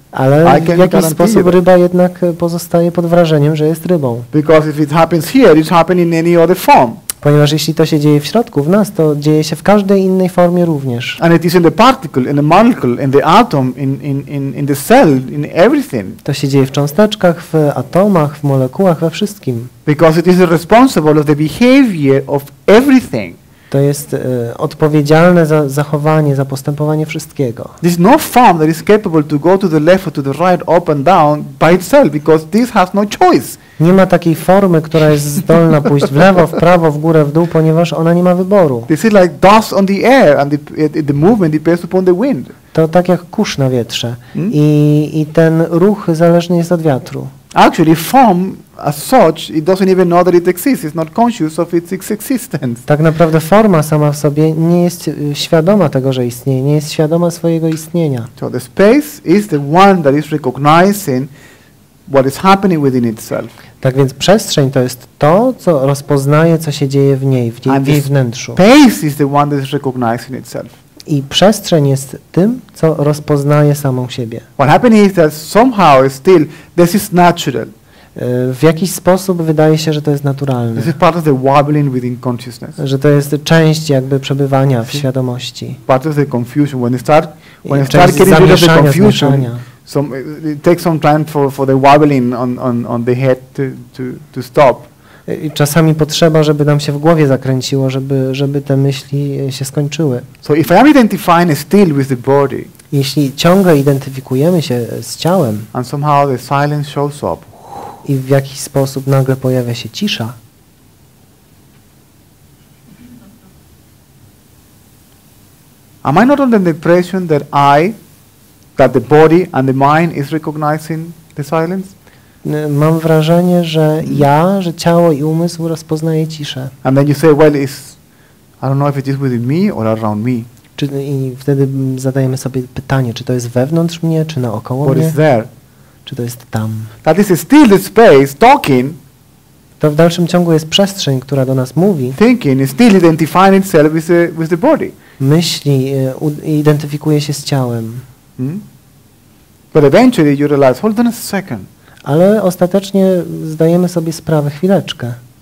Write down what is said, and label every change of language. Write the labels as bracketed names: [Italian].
[Polish] Ale w jakiś sposób ryba jednak pozostaje pod wrażeniem, że jest rybą. [English] Because if it happens here, it happens in any other form. [Polish] Ponieważ jeśli to się dzieje w środku, w nas, to dzieje się w każdej innej formie również. [English] And it is in the particle, in the molecule, in the atom, in the cell, in everything. [Polish] To się dzieje w cząsteczkach, w atomach, w molekułach, we wszystkim. [English] Because it is responsible of the behavior of everything. [Polish] To jest odpowiedzialne za zachowanie, za postępowanie wszystkiego. [English] There is no form that is capable to go to the left or to the right, up and down by itself, because this has no choice. [Polish] Nie ma takiej formy, która jest zdolna pójść w lewo, w prawo, w górę, w dół, ponieważ ona nie ma wyboru. [English] This is like dust on the air and the movement depends upon the wind. [Polish] To tak jak kurz na wietrze i ten ruch zależny jest od wiatru. [English] Actually, form as such, it doesn't even know that it exists. It's not conscious of its existence. [Polish] Tak naprawdę forma sama w sobie nie jest świadoma tego, że istnieje, nie jest świadoma swojego istnienia. [English] So the space is the one that is recognizing what is happening within itself. [Polish] Tak więc przestrzeń to jest to, co rozpoznaje, co się dzieje w niej, w jej wnętrzu. [English] Space is the one that is recognizing itself. [Polish] I przestrzeń jest tym, co rozpoznaje samą siebie. [English] What happens is that somehow still this is natural. [Polish] W jakiś sposób wydaje się, że to jest naturalne. [English] This is part of the wobbling within consciousness. [Polish] Że to jest część jakby przebywania w świadomości. [English] Part of the confusion when you start getting rid of the confusion. Some it takes some time for the wobbling on the head to stop. [Polish] I czasami potrzeba, żeby nam się w głowie zakręciło, żeby te myśli się skończyły. [English] So if I am identifying still with the body. [Polish] Jeśli ciągle identyfikujemy się z ciałem. [English] And somehow the silence shows up. [Polish] I w jakiś sposób nagle pojawia się cisza. [English] Am I not under the impression that that the body and the mind is recognizing the silence? [Polish] Mam wrażenie, że ja, że ciało i umysł rozpoznaje ciszę. [English] And then you say, well, it's, I don't know if it is within me or around me. [Polish] Czy, i wtedy zadajemy sobie pytanie, czy to jest wewnątrz mnie, czy naokoło [English] what [Polish] mnie? [English] What is there? [Polish] Czy to jest tam? [English] That is still the space talking. [Polish] To w dalszym ciągu jest przestrzeń, która do nas mówi. [English] Thinking is still identifying itself with the body. [Polish] Myśli, identyfikuje się z ciałem. [English] But eventually you realize, hold on a second. [Polish] Ale ostatecznie zdajemy sobie sprawę, chwileczkę.